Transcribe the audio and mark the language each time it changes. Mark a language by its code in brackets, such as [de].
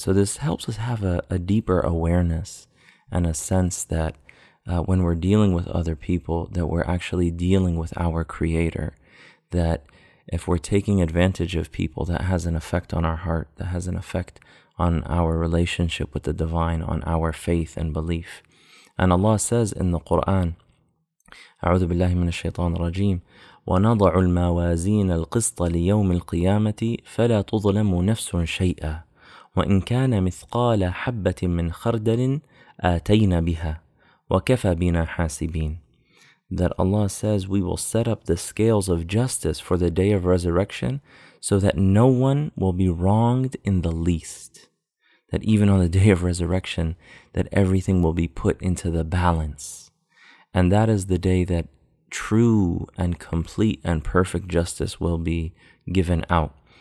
[en] So this helps us have a deeper awareness and a sense that when we're dealing with other people, that we're actually dealing with our Creator, that if we're taking advantage of people, that has an effect on our heart, that has an effect on our relationship with the divine, on our faith and belief. And Allah says in the Quran, [ar] أعوذ بالله من الشيطان الرجيم, ونضع الموازين القسط ليوم القيامة فلا تظلم نفس شيئا وإن كان مثقال حبة من خردل آتينا بها وكفى بنا حاسبين. [en] That Allah says, we will set up the scales of justice for the day of resurrection so that no one will be wronged in the least. That even on the day of resurrection, that everything will be put into the balance. And that is the day that true and complete and perfect justice will be given out.